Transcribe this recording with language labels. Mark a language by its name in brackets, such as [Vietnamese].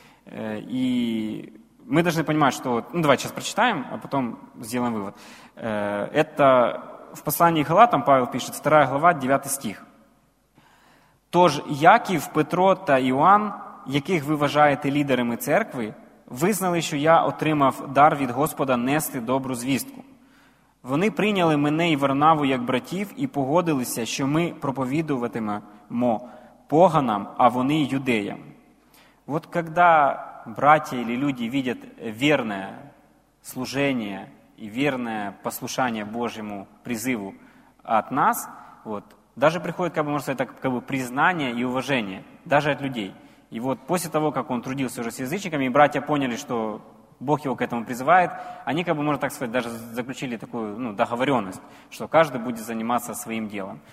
[Russian] И мы должны понимать, что, ну, давайте сейчас прочитаем, а потом сделаем вывод. Это в послании к Галатам Павел пишет, 2 глава, 9 стих. [Ukrainian] «Тож Яків, Петро та Іоанн, яких ви вважаєте лідерами церкви, визнали, що я отримав дар від Господа нести добру звістку. Вони прийняли мене і Варнаву як братів і погодилися, що ми проповідуватимемо поганам, а вони юдеям». От коли [Russian] братья или люди видят верное служение и верное послушание Божьему призыву от нас, вот, даже приходит, как бы, можно сказать, так, как бы признание и уважение, даже от людей. И вот после того, как он трудился уже с язычниками, и братья поняли, что Бог его к этому призывает, они, как бы, можно так сказать, даже заключили такую, ну, договоренность, что каждый будет заниматься своим делом.